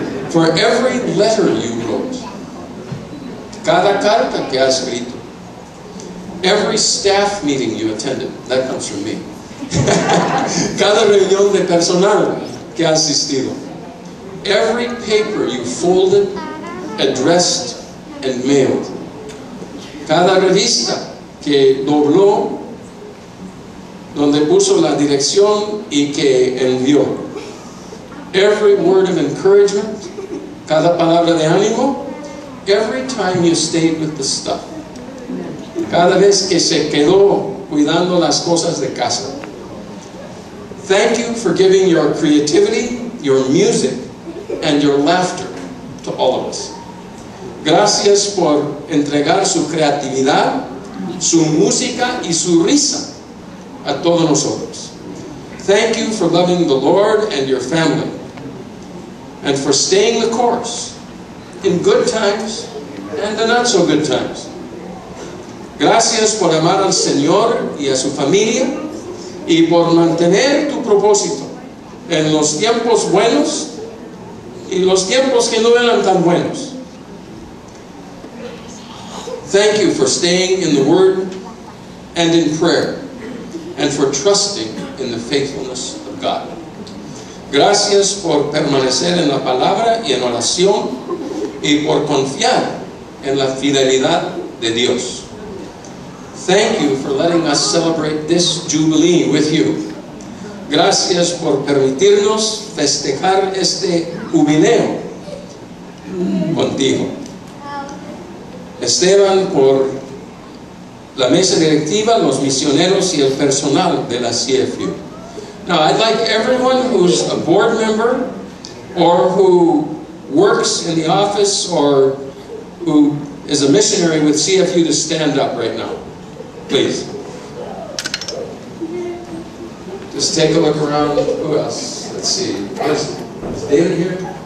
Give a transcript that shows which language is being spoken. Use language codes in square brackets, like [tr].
[en] For every letter you wrote, [es] cada carta que has escrito, [en] every staff meeting you attended, that comes from me, [es] cada reunión de personal que has asistido, [en] every paper you folded, addressed, and mailed, [es] cada revista que dobló, donde puso la dirección y que envió. [en] Every word of encouragement, [es] cada palabra de ánimo, [en] every time you stayed with the stuff. [es] Cada vez que se quedó cuidando las cosas de casa. [en] Thank you for giving your creativity, your music, and your laughter to all of us. [es] Gracias por entregar su creatividad, su música y su risa a todos nosotros. [en] Thank you for loving the Lord and your family, and for staying the course in good times and the not so good times. [es] Gracias por amar al Señor y a su familia y por mantener tu propósito en los tiempos buenos y los tiempos que no eran tan buenos. [en] Thank you for staying in the Word and in prayer and for trusting in the faithfulness of God. [es] Gracias por permanecer en la palabra y en oración y por confiar en la fidelidad de Dios. [en] Thank you for letting us celebrate this Jubilee with you. [es] Gracias por permitirnos festejar este jubileo contigo. Esteban, por la mesa directiva, los misioneros y el personal de la CFU. [en] Now, I'd like everyone who's a board member or who works in the office or who is a missionary with CFU to stand up right now. Please. Just take a look around. Who else? Let's see. Is David here?